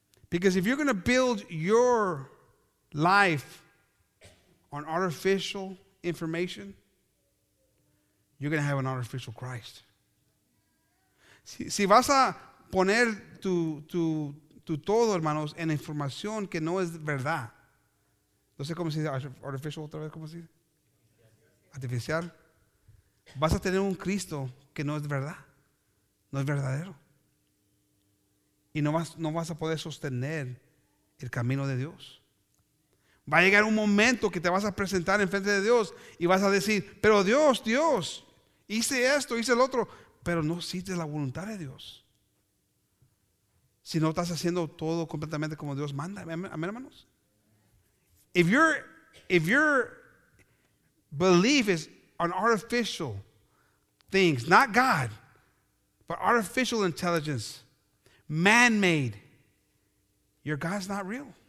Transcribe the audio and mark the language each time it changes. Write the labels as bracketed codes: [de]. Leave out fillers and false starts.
[en] Because if you're going to build your life on artificial information, you're going to have an artificial Christ. [es] Si vas a poner tu todo, hermanos, en información que no es verdad. No sé cómo se dice artificial otra vez, ¿cómo se dice? Artificial. Vas a tener un Cristo que no es verdad. No es verdadero. Y no vas a poder sostener el camino de Dios. Va a llegar un momento que te vas a presentar en frente de Dios y vas a decir, pero Dios, hice esto, hice el otro, pero no hiciste la voluntad de Dios. Si no estás haciendo todo completamente como Dios manda. Amén, hermanos. [en] If your belief is on artificial things, not God, but artificial intelligence, man-made, your God's not real.